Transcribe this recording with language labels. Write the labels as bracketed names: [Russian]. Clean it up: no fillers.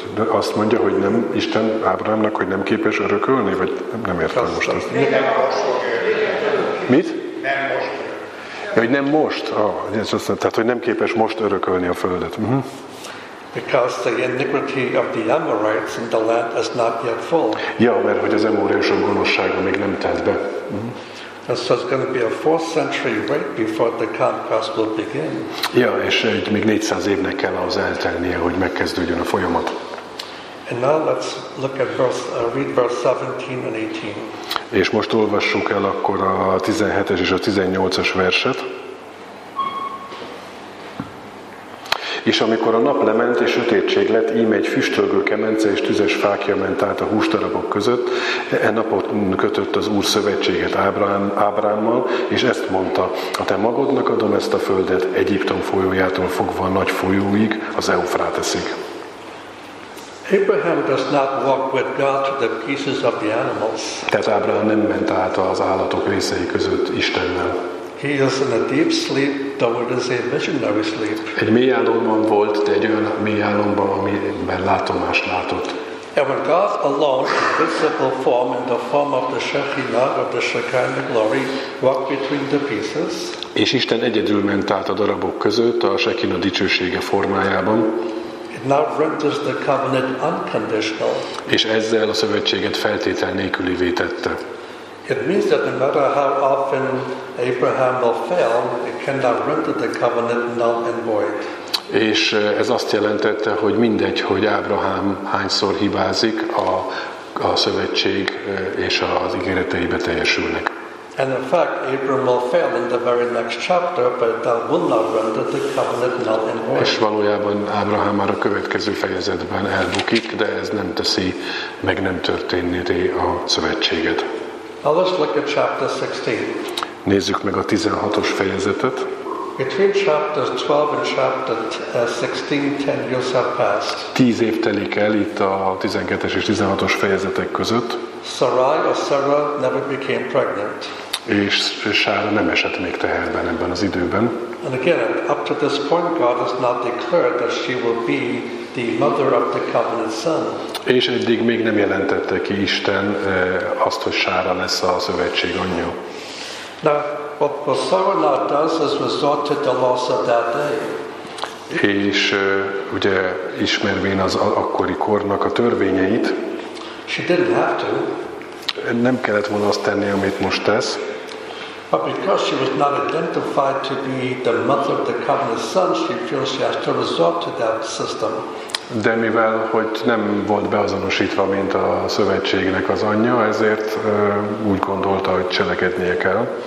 [Hungarian] Azt mondja, hogy nem Isten Ábrahámnak, hogy nem képes örökölni, vagy nem értem most ezt. Nem most. Mit? Nem most. Ja, hogy nem most. Tehát, hogy nem képes most örökölni a földet. [English] Because the iniquity of the Amorites in the land is not yet full. [Hungarian] Ja, mert hogy az Amorások gonoszsága még nem telt be. [English] And so it's going to be a 4th century wait before the conquest will begin. [Hungarian] Ja, és egy még 400 évnek kell ahhoz eltelnie, hogy megkezdődjön a folyamat. [English] And now let's look at read verse 17 and 18. [Hungarian] És most olvassuk el akkor a 17-es és a 18-as verset. És amikor a nap lement és sötétség lett, íme egy füstölgő kemence és tüzes fákja ment át a hústarabok között, e napon kötött az Úr szövetséget Ábrámmal, és ezt mondta, a te magodnak adom ezt a földet, Egyiptom folyójától fogva a nagy folyóig, az Eufráteszig. [English] Abraham does not walk with God to the pieces of the animals. [Hungarian] Tehát Ábrahám nem ment át az állatok részei között Istennel. [English] He is in a deep sleep, though it is a visionary sleep. [Hungarian] Egy mély álomban volt, de egy olyan mély álomban, amiben látomást látott. [English] And when God alone, in visible form, in the form of the Shekhinah or the Shekinah glory, walked between the pieces. [Hungarian] És Isten egyedül ment át a darabok között a Shekhinah dicsősége formájában. [English] Now renders the covenant unconditional. [Hungarian] És ezzel a szövetséget feltétel nélkülivé tette. [English] It means that no matter how often Abraham will fail, it cannot render the covenant null and void. [Hungarian] És ez azt jelentette, hogy mindegy, hogy Ábrahám hányszor hibázik, a szövetség és az ígéretei beteljesülnek. [English] And in fact, Abraham will fail in the very next chapter, but that will not render the covenant null and void. [Hungarian] És valójában Ábrahám már a következő fejezetben elbukik, de ez nem teszi, meg nem történné a szövetséget. [English] Now let's look at chapter 16. [Hungarian] Nézzük meg a 16-os fejezetet. [English] Between chapters 12 and chapter 16, 10 years have passed. [Hungarian] 10 év telik el itt a 12-es és 16-os fejezetek között. [English] Sarai or Sarah never became pregnant. [Hungarian] És Sára nem esett még teherben ebben az időben. [English] And again, up to this point, God has not declared that she will be the mother of the covenant son. [Hungarian] És eddig még nem jelentette ki Isten azt, hogy Sára lesz a szövetség anyja. [English] Now, what Sarah now does is resort to the laws of that day. [Hungarian] És ugye ismervén az akkori kornak a törvényeit. [English] She didn't have to. [Hungarian] Nem kellett volna azt tenni, amit most tesz. [English] But because she was not identified to be the mother of the covenant son, she feels she has to resort to that system. [Hungarian] De mivel, hogy nem volt beazonosítva, mint a szövetségnek az anyja, ezért úgy gondolta, hogy cselekednie kell.